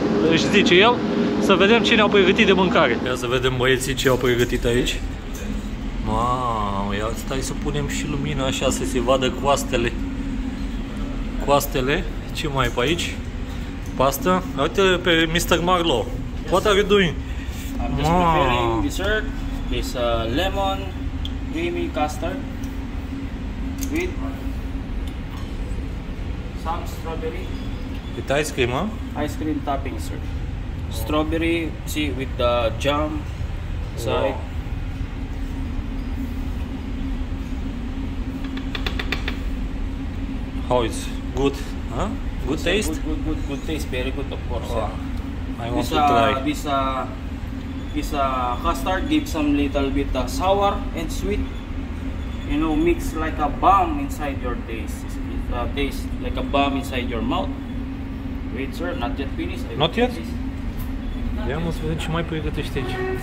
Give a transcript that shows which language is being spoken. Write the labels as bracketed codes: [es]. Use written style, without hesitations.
[ro] Își zice el, să vedem cine au pregătit de mâncare. Ia să vedem băieții ce au pregătit aici. Mamă, ia stai să punem și lumina așa să se vadă coastele. Coastele, ce mai e pe aici? [en] Pasta. [ro] Uite pe [en] Mr. Marlo. Yes, what are you doing? I'm just preparing dessert with lemon, creamy custard with some strawberry. With ice cream, huh? Ice cream topping, sir. Oh. Strawberry, see, with the jam side. Wow. How is good, huh? Good it's taste? Good taste, very good, of course. Wow. I want to try. This is a custard, give some little bit sour and sweet, you know, mix like a bomb inside your taste. Taste like a bomb inside your mouth. Wait, sir, not yet finished. Not yet? [ro] Ia mă să vedem ce mai pregătește aici.